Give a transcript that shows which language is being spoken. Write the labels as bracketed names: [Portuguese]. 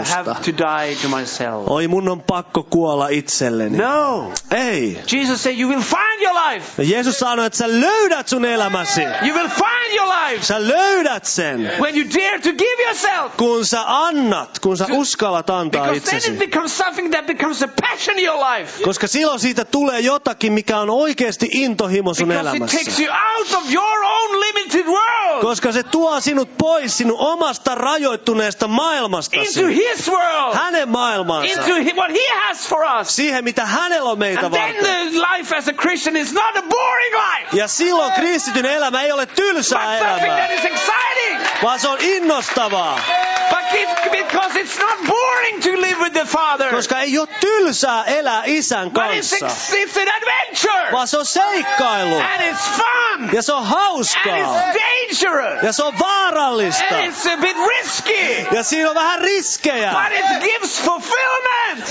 [English] Oh, I have to die to myself. [Finnish] Oi, mun on pakko kuolla itselleni. [English] No. [Finnish] Ei. [English] Jesus said you will find your life. [Finnish] Jeesus sanoi, että sä löydät sun elämäsi. [English] You will find your life. [Finnish] Sä löydät sen. [English] Yes. When you dare to give yourself. [Finnish] Kun sä annat, kun sä uskallat antaa itsesi. [English] Because then it becomes something that becomes a passion. In your life. [Finnish] Koska silloin siitä tulee jotakin, mikä on oikeasti intohimo sun elämässä. [English] Because it takes you out of your own limited world. [Finnish] Koska se tuo sinut pois sinun omasta rajoittuneesta maailmastasi. [English] Into his world. [Finnish] Hänen maailmansa. [English] Into what he has for us. [Finnish] Siihen, mitä hänellä on meitä varten. [English] And then the life as a Christian is not a boring life. [Finnish] Ja silloin kristityn elämä ei ole tylsää [English] but [Finnish] elämää. [English] But something that is exciting. [Finnish] Vaan se on innostavaa. [English] But it, because it's not boring to live with the Father. [Finnish] Koska ei ole tylsää elää isän kanssa. Vaan se on seikkailu. [English] And it's fun. [Finnish] Ja se on hauskaa. [English] And it's dangerous. [Finnish] Ja se on vaarallista. [English] And it's a bit risky. [Finnish] Ja siinä on vähän riskejä. [English] But it gives fulfillment.